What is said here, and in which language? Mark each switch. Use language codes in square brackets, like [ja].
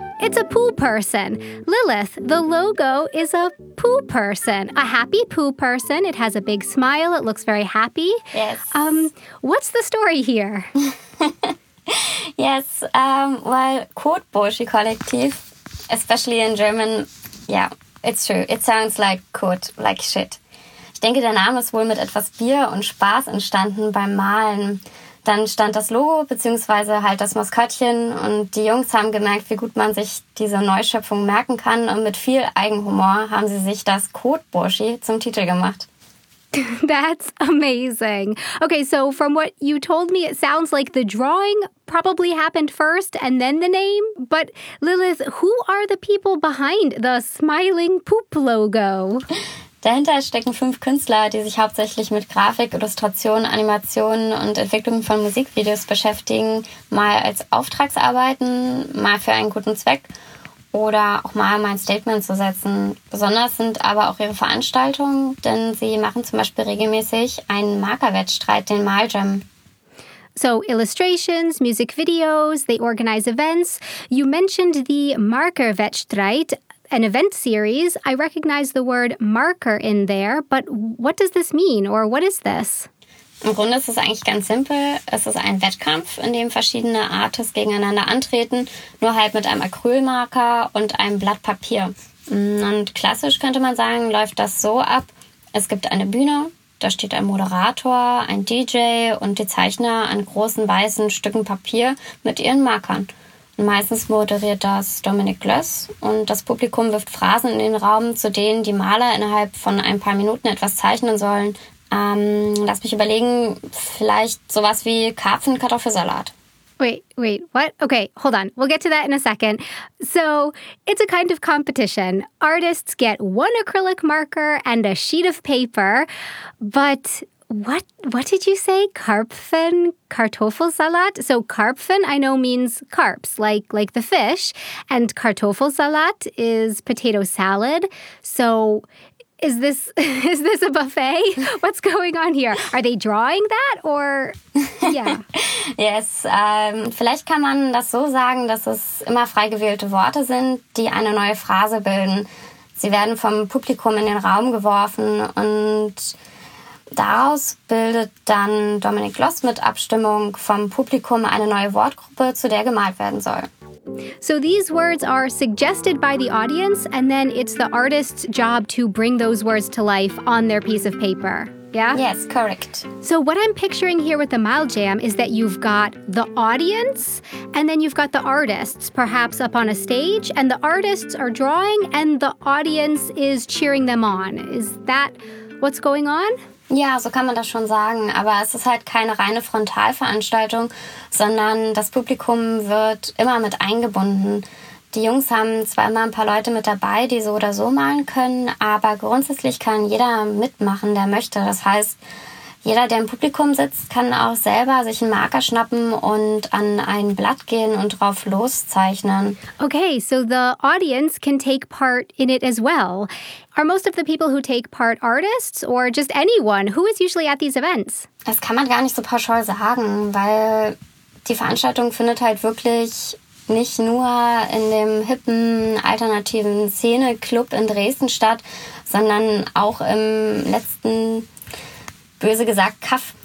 [en] It's a poo person. Lilith, the logo is a poo person, a happy poo person. It has a big smile. It looks very happy. Yes. What's the story here? Yes, well, Kotbörschi Kollektiv, especially in German, yeah, it's true. It sounds like Kot, like shit. [de] Ich denke, der Name ist wohl mit etwas Bier und Spaß entstanden beim Malen. Dann stand das Logo, beziehungsweise halt das Maskottchen, und die Jungs haben gemerkt, wie gut man sich diese Neuschöpfung merken kann, und mit viel Eigenhumor haben sie sich das Kotbörschi zum Titel gemacht. [en] That's amazing. Okay, so from what you told me, it sounds like the drawing probably happened first and then the name. But Lilith, who are the people behind the smiling poop logo? [de] Dahinter stecken fünf Künstler, die sich hauptsächlich mit Grafik, Illustration, Animation und Entwicklung von Musikvideos beschäftigen, mal als Auftragsarbeiten, mal für einen guten Zweck oder auch mal ein Statement zu setzen. Besonders sind aber auch ihre Veranstaltungen, denn sie machen zum Beispiel regelmäßig einen Markerwettstreit, den Maljam. [en] So, illustrations, music videos, they organize events. You mentioned the Markerwettstreit, an event series. I recognize the word marker in there, but what does this mean or what is this? [de] Im Grunde ist es eigentlich ganz simpel. Es ist ein Wettkampf, in dem verschiedene Artists gegeneinander antreten, nur halt mit einem Acrylmarker und einem Blatt Papier. Und klassisch könnte man sagen, läuft das so ab. Es gibt eine Bühne, da steht ein Moderator, ein DJ und die Zeichner an großen weißen Stücken Papier mit ihren Markern. Und meistens moderiert das Dominik Glöss und das Publikum wirft Phrasen in den Raum, zu denen die Maler innerhalb von ein paar Minuten etwas zeichnen sollen. Lass mich überlegen, vielleicht sowas wie Karpfenkartoffelsalat. [en] Wait, what? Okay, hold on. We'll get to that in a second. So, it's a kind of competition. Artists get one acrylic marker and a sheet of paper. But what did you say? Karpfenkartoffelsalat? So, Karpfen, I know, means carps, like the fish. And Kartoffelsalat is potato salad. So, Is this a buffet? What's going on here? Are they drawing that or? Yeah. Yes. [de] Vielleicht kann man das so sagen, dass es immer frei gewählte Worte sind, die eine neue Phrase bilden. Sie werden vom Publikum in den Raum geworfen und daraus bildet dann Dominik Gloss mit Abstimmung vom Publikum eine neue Wortgruppe, zu der gemalt werden soll. [en] So these words are suggested by the audience, and then it's the artist's job to bring those words to life on their piece of paper. Yeah? Yes, correct. So what I'm picturing here with the Mile Jam is that you've got the audience and then you've got the artists, perhaps up on a stage, and the artists are drawing and the audience is cheering them on. Is that what's going on? [de] Ja, so kann man das schon sagen. Aber es ist halt keine reine Frontalveranstaltung, sondern das Publikum wird immer mit eingebunden. Die Jungs haben zwar immer ein paar Leute mit dabei, die so oder so malen können, aber grundsätzlich kann jeder mitmachen, der möchte. Das heißt, jeder, der im Publikum sitzt, kann auch selber sich einen Marker schnappen und an ein Blatt gehen und drauf loszeichnen. [en] Okay, so the audience can take part in it as well. Are most of the people who take part artists or just anyone? Who is usually at these events? [de] Das kann man gar nicht so pauschal sagen, weil die Veranstaltung findet halt wirklich nicht nur in dem hippen, alternativen Szene-Club in Dresden statt, sondern auch im letzten, böse gesagt, Kaff.